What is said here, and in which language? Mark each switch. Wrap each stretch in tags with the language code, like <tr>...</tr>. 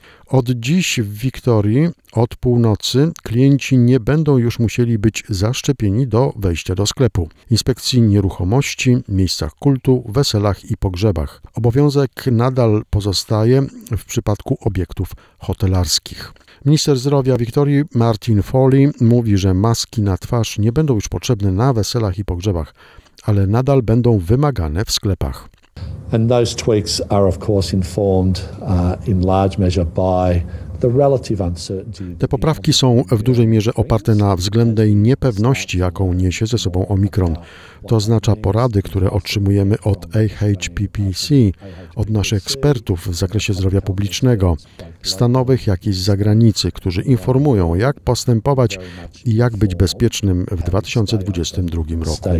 <pl>Od dziś w Wiktorii, od północy, klienci nie będą już musieli być zaszczepieni do wejścia do sklepu, inspekcji nieruchomości, miejscach kultu, weselach i pogrzebach. Obowiązek nadal pozostaje w przypadku obiektów hotelarskich. Minister zdrowia Wiktorii Martin Foley mówi, że maski na twarz nie będą już potrzebne na weselach i pogrzebach, ale nadal będą wymagane w sklepach.</pl> <en>And those tweaks are of course informed in large measure by the relative uncertainty.</en> <pl>Te poprawki są w dużej mierze oparte na względnej niepewności, jaką niesie ze sobą Omikron. To oznacza porady, które otrzymujemy od AHPPC, od naszych ekspertów w zakresie zdrowia publicznego. stanowych, jak i z zagranicy, którzy informują, jak postępować i jak być bezpiecznym w 2022 roku.</pl>